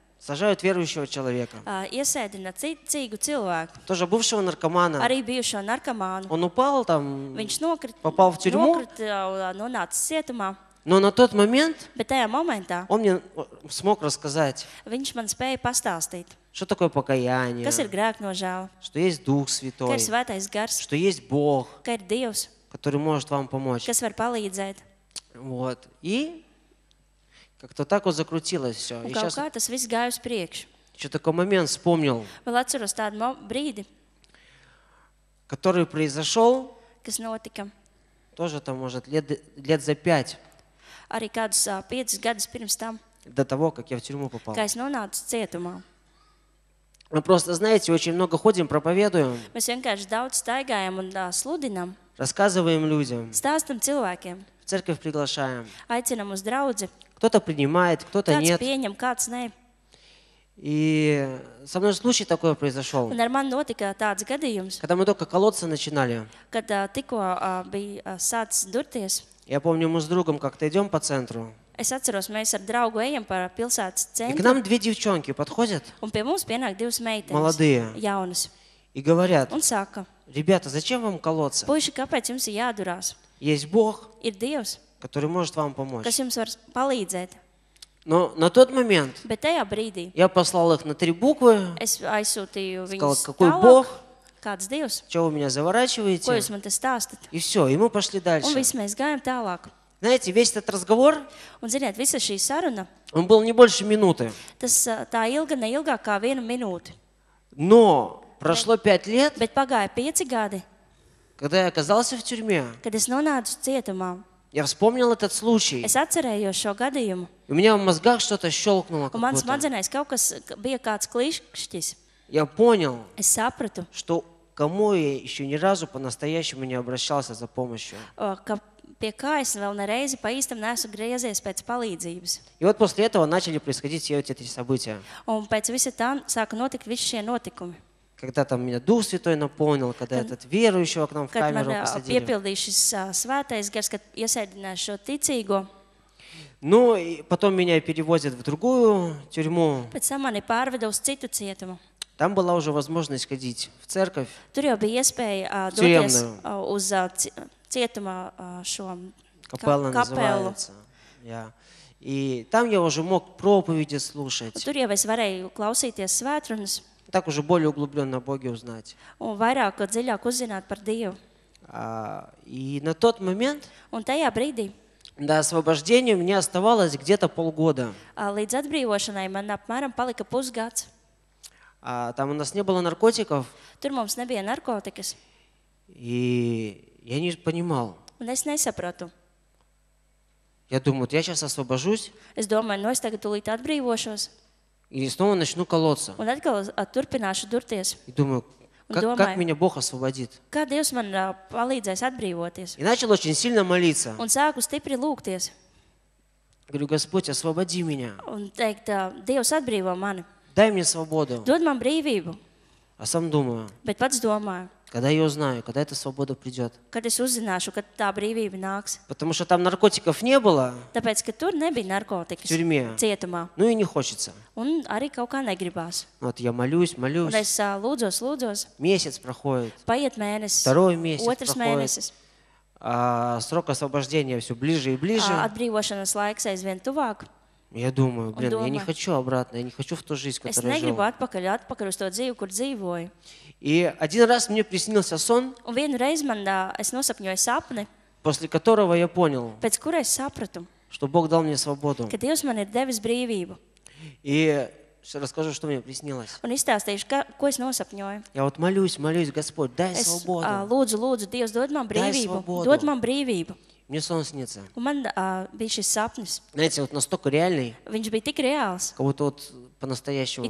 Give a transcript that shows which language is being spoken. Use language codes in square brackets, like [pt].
[ru] Сажают верующего человека. [lv] Iesēdina cīgu cilvēku. [ru] Тоже бывшего наркомана. [lv] Arī bijušo [ru] наркоману. Он упал там. [lv] Viņš nokrita. [ru] Попал в тюрьму. [lv] Nokrita, nonāca cietumā. [ru] Но на тот момент [lv] моментā, [ru] он мне смог рассказать, [lv] viņš man spēja pastāstīt, [ru] что такое покаяние, [lv] kas ir grēk nožēl, [ru] что есть Дух Святой, [lv] ka ir svētais gars, [ru] что есть Бог, [lv] ka ir Dievs, [ru] который может вам помочь, [lv] kas var palīdzēt. [ru] Вот. И как-то так вот закрутилось все. [lv] Un kaut kā tas viss gāja uz priekšu. [ru] Еще такой момент вспомнил, [lv] vēl atceros tādu brīdi, [ru] который произошел, [lv] kas notika, [ru] тоже там, может, лет за пять, [lv] arī kādus 5 gadus pirms tam, [ru] до того, как я в тюрьму попал, [lv] kā es nonācu cietumā. [ru] Мы просто, знаете, очень много ходим, проповедуем, [lv] mēs vienkārši daudz staigājam un sludinam, [ru] рассказываем людям, [lv] stāstam cilvēkiem, [ru] в церковь приглашаем, [lv] aicinam uz draudzi, [ru] кто-то принимает, кто-то нет, [lv] kāds pieņem, kāds ne. [ru] И со мной случай такой произошел. [lv] Un ar mani notika tāds gadījums, [ru] когда мы только колодца начинали, [lv] kad tikko bija sācis durties. [ru] Я помню, мы с другом как-то идем по центру. [lv] Es atceros, mēs ar draugu ejam par pilsētas centru. [ru] И к нам две девчонки подходят. [lv] Un pie mums pienāk divas meitenes. [ru] Молодые. [lv] Jaunas. [ru] И говорят. [lv] Un saka. [ru] Ребята, зачем вам колодцы? [lv] Puiši, kāpēc jums ir jādurās? [ru] Есть Бог. [lv] Ir Dievs. [ru] Который может вам помочь. [lv] Kas jums var palīdzēt. [ru] Но на тот момент. [lv] Bet tajā brīdī. [ru] Я послал их на три буквы. [lv] Es aizsūtīju viņus. [ru] Сказал, какой Бог. [lv] Kāds Dievs? [ru] Čo vi меня заворачиваете? [lv] Ko jūs man te stāstat? [ru] И все, и мы пошли дальше. [lv] Un viss mēs gājām tālāk. [ru] Знаете, весь этот разговор, [lv] un, ziniet, visa šī saruna, [ru] он был не больше минуты. [lv] Tas tā ilga, ne ilgāk kā vienu minūti. [ru] Но прошло 5 лет, [lv] bet pagāja 5 gadi, [ru] когда я оказался в тюрьме, [lv] kad es nonācu cietumā, [ru] я вспомнил этот случай. [lv] Es atcerējos šo gadījumu. [ru] У меня в мозгах что-то щелкнуло. [lv] Un mans smadzenēs kaut kas bija kāds klikšķis. [ru] Я понял, [lv] es sapratu, [ru] что кому я еще ни разу по-настоящему не обращался за помощью. [lv] Pie kā es vēl nereizi pa īstam neesmu griezies pēc palīdzības. [ru] И вот после этого начали происходить все эти события. [lv] Un pēc visa tā sāka notikt visi šie notikumi. [ru] Когда там меня Дух Святой наполнил, когда этот верующего к нам в камеру посадили. [lv] Kad man piepildīja šis svētais gars, kad iesēdināja šo ticīgo. [ru] Ну, и потом меня перевозят в другую тюрьму. [lv] Pēc tam mani pārveda uz citu cietumu. [ru] Там была уже возможность ходить в церковь. [lv] Tur jau bija iespēja doties uz cietumā šo [ru] капеллу. И там я уже мог проповеди слушать. [lv] Tur jau es varēju klausīties svētrunas. [ru] Так уже более углублённо о Боге узнать. [lv] Un vairāk dziļāk uzzināt par Dievu. [ru] И на тот момент, [lv] un tajā brīdī, [ru] до освобождения мне оставалось где-то полгода. [lv] Līdz atbrīvošanai man apmēram palika pusgads. [ru] Там у нас не было наркотиков. [lv] Tur mums nebija narkotikas. [ru] И я не понимал. [lv] Un es nesapratu. [ru] Я думаю, я сейчас освобожусь. [lv] Es domāju, es tagad tūlīt atbrīvošos. [ru] И снова начну колоться. [lv] Un atkal turpināšu durties. [ru] И думаю, как меня Бог освободит? [lv] Kā Dievs man palīdzēs atbrīvoties? [ru] И начал очень сильно молиться. [lv] Un sāku stipri lūgties. [ru] Говорю, Господь, освободи меня. [lv] Un teikt, Dievs atbrīvo mani. [ru] Дай мне свободу. [lv] Dod man brīvību. [ru] А сам думаю. [lv] Bet pats domāju. [ru] Когда я узнаю, когда эта свобода придет? [lv] Kad es uzzināšu, kad tā brīvība nāks. [ru] Потому что там наркотиков не было. [lv] Tāpēc, ka tur nebija narkotikas. [ru] В тюрьме. [lv] Cietumā. [ru] Ну и не хочется. [lv] Un arī kaut kā negribās. [ru] Вот я молюсь. [lv] Un es lūdzos. [ru] Месяц проходит. [lv] Paiet mēnesis. [ru] Второй месяц [lv] Otrs [ru] проходит. [lv] Mēnesis. [ru] Срок освобождения все ближе и ближе. [lv] Atbrīvošanas laiks aizvien tuvāk. [ru] Я думаю, блин, я не хочу обратно, я не хочу в ту жизнь, которую живу. [lv] Es negribu atpakaļ uz to dzīvi, kur dzīvoju. [ru] И один раз мне приснился сон. [lv] Un vienu reizi man, es nosapņoju sapni. [ru] После которого я понял. [lv] Pēc kura es sapratu. [ru] Что Бог дал мне свободу. [lv] Ka Dievs man ir devis brīvību. [ru] И расскажу, что мне приснилось. [lv] Un izstāstīšu, ko es nosapņoju. [ru] Я вот молюсь, Господь, дай свободу. [lv] Es lūdzu, Dievs, dod man brīvību. Dod man brīvību. [ru] Мне сон снится. [lv] Un man bija šis sapnis. [ru] Знаете, вот настолько реальный. [lv] Viņš bija tik reāls. [ru] Как будто вот по-настоящему